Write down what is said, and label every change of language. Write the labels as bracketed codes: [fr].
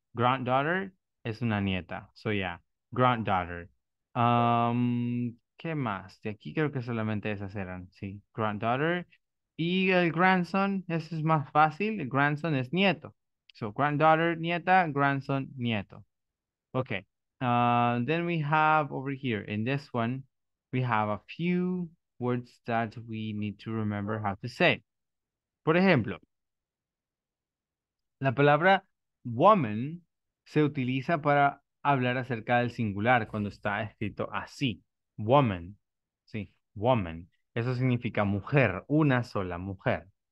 [es] Granddaughter es una nieta, [en] so yeah, [es] granddaughter. ¿Qué más? De aquí creo que solamente esas eran, ¿sí? Granddaughter. Y el grandson, ese es más fácil, el grandson es nieto. [en] So, granddaughter, nieta, grandson, nieto. Okay. Then we have over here, in this one, we have a few words that we need to remember how to say. [es] Por ejemplo, la palabra woman se utiliza para hablar acerca del singular cuando está escrito así. Woman. Sí, woman. Eso significa mujer, una sola mujer.